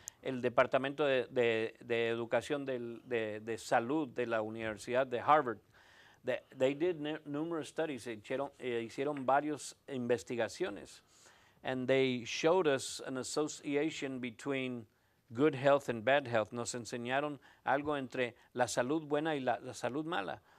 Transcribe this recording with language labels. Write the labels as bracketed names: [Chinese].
[Spanish] El departamento de educación de salud de la Universidad de Harvard. [English] They did numerous studies, [Spanish] hicieron varios investigaciones, [English] and they showed us an association between good health and bad health. [Spanish] Nos enseñaron algo entre la salud buena y la salud mala.